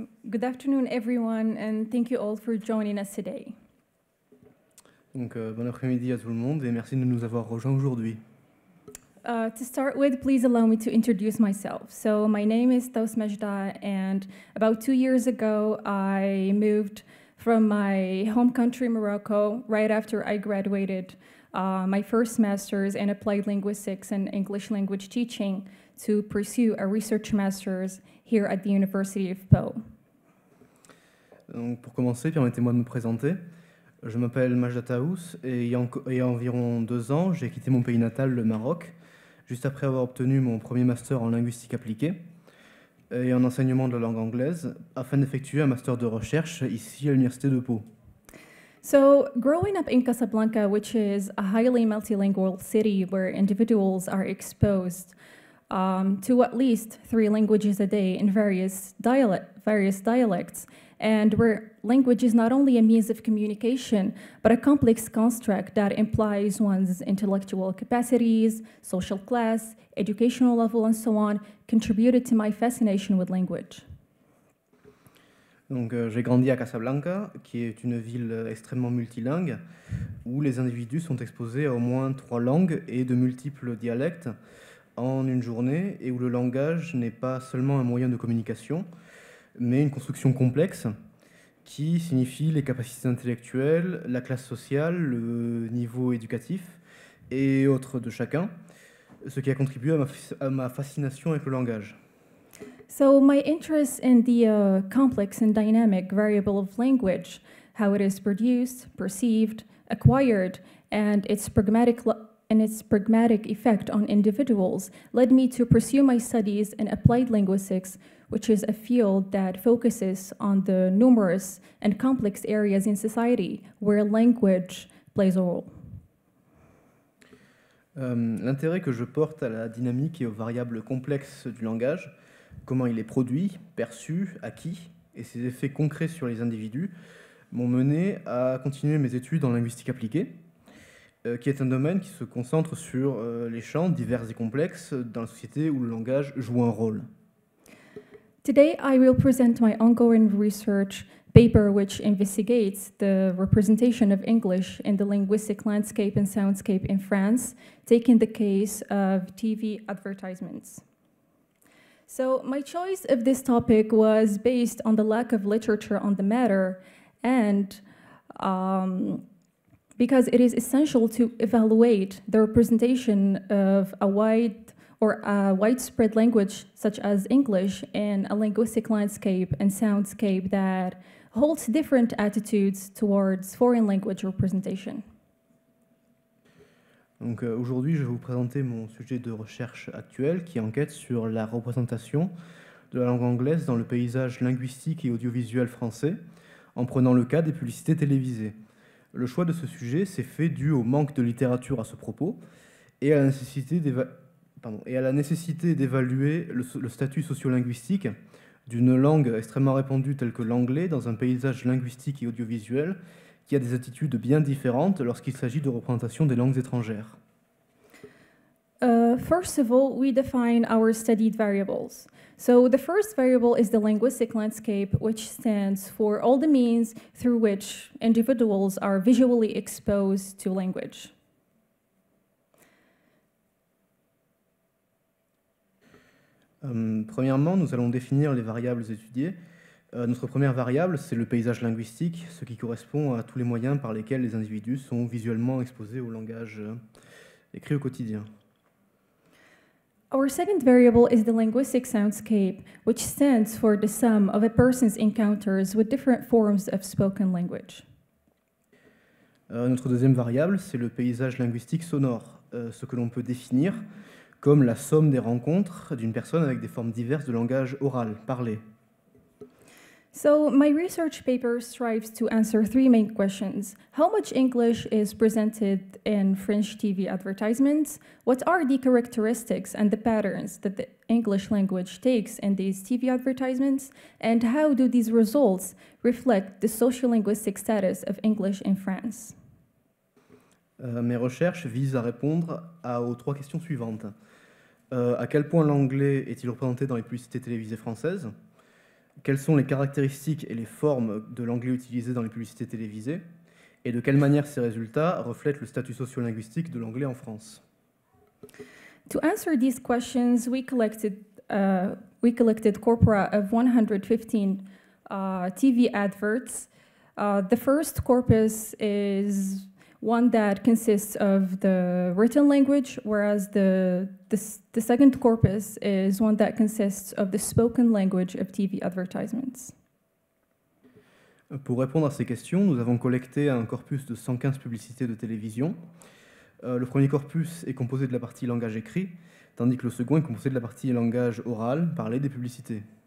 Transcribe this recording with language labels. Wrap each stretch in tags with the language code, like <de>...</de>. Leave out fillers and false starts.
<en>Good afternoon everyone and thank you all for joining us today.</en> <fr>Donc, bon après-midi à tout le monde et merci de nous avoir rejoints aujourd'hui.</fr> <en>To start with, please allow me to introduce myself. So my name is Taous Majda and about 2 years ago, I moved from my home country, Morocco, right after I graduated my first master's in applied linguistics and English language teaching to pursue a research master's here at the University of Pau.</en> <fr>Donc, pour commencer, permettez-moi de me présenter. Je m'appelle Majda Taous et il y a environ 2 ans, j'ai quitté mon pays natal, le Maroc, juste après avoir obtenu mon premier master en linguistique appliquée et en enseignement de la langue anglaise, afin d'effectuer un master de recherche ici à l'Université de Pau.</fr> <en>So, growing up in Casablanca, which is a highly multilingual city where individuals are exposed to at least 3 languages a day in various dialects, and where language is not only a means of communication, but a complex construct that implies one's intellectual capacities, social class, educational level, and so on, contributed to my fascination with language.</en> <fr>Donc, j'ai grandi à Casablanca, qui est une ville extrêmement multilingue, où les individus sont exposés à au moins 3 langues et de multiples dialectes en une journée, et où le langage n'est pas seulement un moyen de communication, mais une construction complexe qui signifie les capacités intellectuelles, la classe sociale, le niveau éducatif et autres de chacun, ce qui a contribué à ma fascination avec le langage.</fr> <en>So my interest in the complex and dynamic variable of language, how it is produced, perceived, acquired, and its pragmatic effect on individuals, led me to pursue my studies in applied linguistics, which is a field that focuses on the numerous and complex areas in society where language plays a role.</en> <fr>L'intérêt que je porte à la dynamique et aux variables complexes du langage, comment il est produit, perçu, acquis, et ses effets concrets sur les individus, m'ont mené à continuer mes études en linguistique appliquée, qui est un domaine qui se concentre sur les champs divers et complexes dans la société où le langage joue un rôle.</fr> <en>Today, I will present my ongoing research paper, which investigates the representation of English in the linguistic landscape and soundscape in France, taking the case of TV advertisements. So my choice of this topic was based on the lack of literature on the matter and because it is essential to evaluate the representation of a widespread language such as English in a linguistic landscape and soundscape that holds different attitudes towards foreign language representation.</en> <fr>Donc aujourd'hui, je vais vous présenter mon sujet de recherche actuel qui enquête sur la représentation de la langue anglaise dans le paysage linguistique et audiovisuel français en prenant le cas des publicités télévisées. Le choix de ce sujet s'est fait dû au manque de littérature à ce propos et à la nécessité d'évaluer le statut sociolinguistique d'une langue extrêmement répandue telle que l'anglais dans un paysage linguistique et audiovisuel qui a des attitudes bien différentes lorsqu'il s'agit de représentation des langues étrangères.</fr> <en>First of all, we define our studied variables. So the first variable is the linguistic landscape, which stands for all the means through which individuals are visually exposed to language.</en> <fr>Premièrement, nous allons définir les variables étudiées. Notre première variable, c'est le paysage linguistique, ce qui correspond à tous les moyens par lesquels les individus sont visuellement exposés au langage écrit au quotidien.</fr> <en>Our second variable is the linguistic soundscape, which stands for the sum of a person's encounters with different forms of spoken language.</en> <fr>Notre deuxième variable, c'est le paysage linguistique sonore, ce que l'on peut définir comme la somme des rencontres d'une personne avec des formes diverses de langage oral, parlé.</fr> <en>So, my research paper strives to answer three main questions. How much English is presented in French TV advertisements? What are the characteristics and the patterns that the English language takes in these TV advertisements? And how do these results reflect the sociolinguistic status of English in France?</en> <fr>Mes recherches visent à répondre aux trois questions suivantes. À quel point l'anglais est-il représenté dans les publicités télévisées françaises? Quelles sont les caractéristiques et les formes de l'anglais utilisées dans les publicités télévisées? Et de quelle manière ces résultats reflètent le statut sociolinguistique de l'anglais en France?</fr> <en>To answer these questions, we collected corpora of 115 TV adverts. The first corpus is one that consists of the written language, whereas the second corpus is one that consists of the spoken language of TV advertisements.</en> <fr>Pour répondre à ces questions, nous avons collecté un corpus de 115 publicités de télévision. Le premier corpus est composé de la partie langage écrit, tandis que le second est composé de la partie langage oral, parlé des publicités.</fr>